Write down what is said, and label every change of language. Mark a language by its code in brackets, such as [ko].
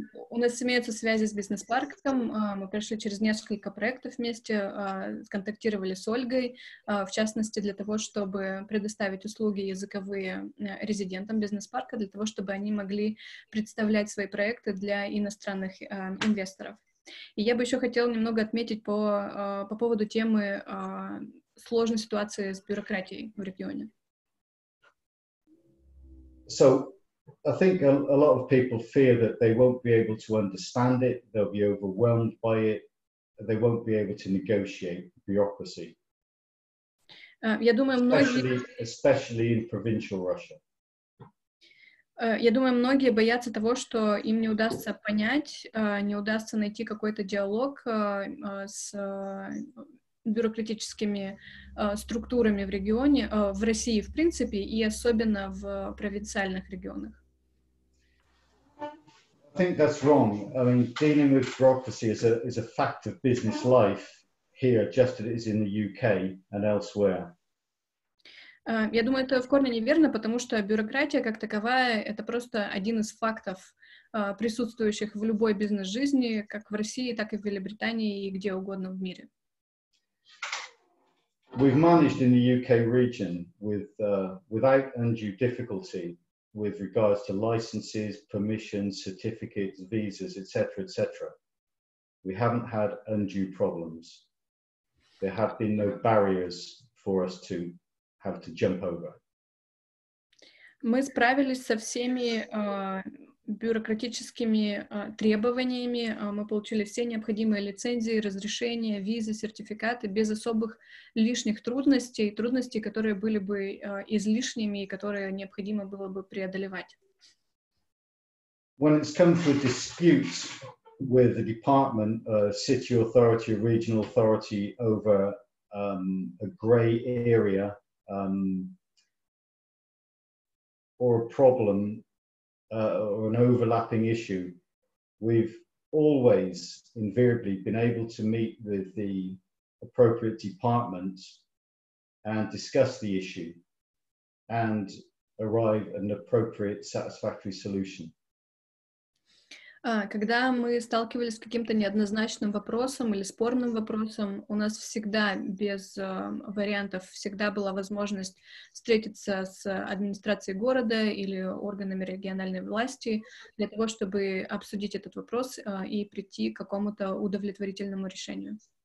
[ru] У нас имеются связи с бизнес-парком, мы прошли через несколько проектов вместе, контактировали с Ольгой, в частности, для того, чтобы предоставить услуги языковые резидентам бизнес-парка, для того, чтобы они могли представлять свои проекты для иностранных инвесторов. И я бы еще хотела немного отметить по поводу темы сложной ситуации с бюрократией в регионе. [en] So, I think a lot of people fear that they won't be able to understand it, they'll be overwhelmed by it, they won't be able to negotiate bureaucracy. [ru] Я думаю, [en] especially in provincial Russia. [ru] Я думаю, многие боятся того, что им не удастся понять, не удастся найти какой-то диалог с бюрократическими структурами в регионе, в России, в принципе, и особенно в провинциальных регионах. [en] I think that's wrong. I mean, dealing with bureaucracy is a fact of business life here, just as it is in the UK and elsewhere. [ru] Я думаю, это в корне неверно, потому что бюрократия как таковая — это просто один из фактов, присутствующих в любой бизнес-жизни, как в России, так и в Великобритании и где угодно в мире. [en] We've managed in the UK region without undue difficulty with regards to licenses, permissions, certificates, visas, etc., etc. We haven't had undue problems. There have been no barriers for us to have to jump over. [ru] Мы справились со всеми бюрократическими требованиями. Мы получили все необходимые лицензии, разрешения, визы, сертификаты без особых лишних трудностей, трудностей, которые были бы излишними и которые необходимо было бы преодолевать. [en] When it's come to disputes with the department, city authority, regional authority over a grey area, or a problem or an overlapping issue, we've always invariably been able to meet with the appropriate department and discuss the issue and arrive at an appropriate satisfactory solution. [ru] Когда мы сталкивались с каким-то неоднозначным вопросом или спорным вопросом, у нас всегда без вариантов всегда была возможность встретиться с администрацией города или органами региональной власти для того, чтобы обсудить этот вопрос и прийти к какому-то удовлетворительному решению.